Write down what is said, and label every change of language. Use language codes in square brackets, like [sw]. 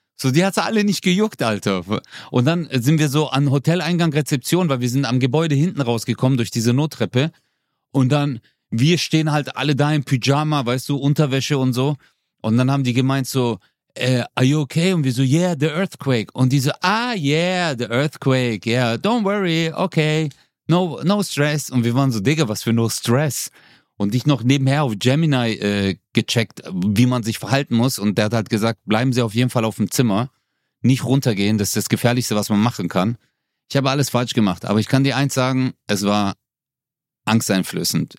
[de] So, die hat's alle nicht gejuckt, Alter. Und dann sind wir so an Hoteleingang Rezeption, weil wir sind am Gebäude hinten rausgekommen durch diese Nottreppe. Und dann, wir stehen halt alle da im Pyjama, weißt du, Unterwäsche und so. Und dann haben die gemeint so, [en] are you okay? [de] Und wir so, [en] yeah, the earthquake. [de] Und die so, [en] ah, yeah, the earthquake, yeah, don't worry, okay, no, no stress. [de] Und wir waren so, Digga, was für [en] no stress. [de] Und ich noch nebenher auf Gemini gecheckt, wie man sich verhalten muss. Und der hat halt gesagt, bleiben Sie auf jeden Fall auf dem Zimmer. Nicht runtergehen, das ist das Gefährlichste, was man machen kann. Ich habe alles falsch gemacht. Aber ich kann dir eins sagen, es war angsteinflößend.